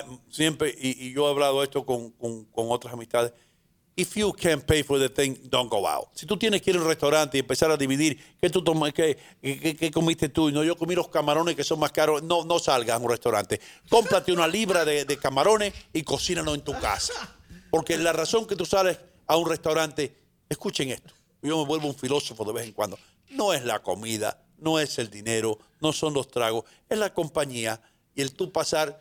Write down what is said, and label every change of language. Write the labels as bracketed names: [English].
[Spanish] Siempre, y yo he hablado esto con otras amistades. [English] If you can't pay for the thing, don't go out. [Spanish] Si tú tienes que ir al restaurante y empezar a dividir qué tú tomas, qué comiste tú, no, yo comí los camarones que son más caros, no salgas a un restaurante. Cómprate una libra de camarones y cocínalo en tu casa. Porque la razón que tú sales a un restaurante, escuchen esto, yo me vuelvo un filósofo de vez en cuando, no es la comida, no es el dinero, no son los tragos, es la compañía y el tú pasar.